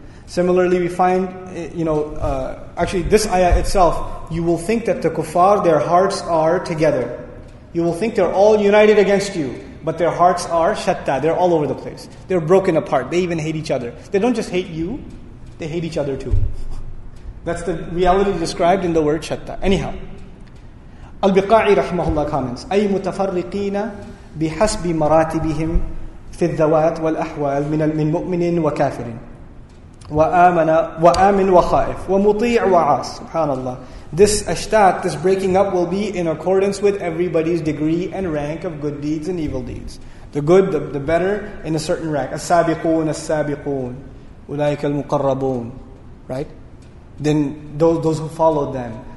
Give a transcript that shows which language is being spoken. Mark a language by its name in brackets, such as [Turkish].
[English] Similarly, we find, you know, actually this ayah itself, you will think that the kuffar, their hearts are together. You will think they're all united against you. But their hearts are shatta. They're all over the place. They're broken apart. They even hate each other. They don't just hate you. They hate each other too. That's the reality described in the word shatta. Anyhow. Al-Biqa'i rahmahullah comments, [Arabic] أي متفرقين بحسب مراتبهم في الذوات والأحوال من مؤمن وكافر وآمن وخائف ومطيع وعاص. Subhanallah. [English] This ashtat, this breaking up, will be in accordance with everybody's degree and rank of good deeds and evil deeds. The good, the better, in a certain rank. [Arabic] As-sabiqoon, as-sabiqoon. Ulaika al-muqarrabun. Right? [English] Then those who followed them.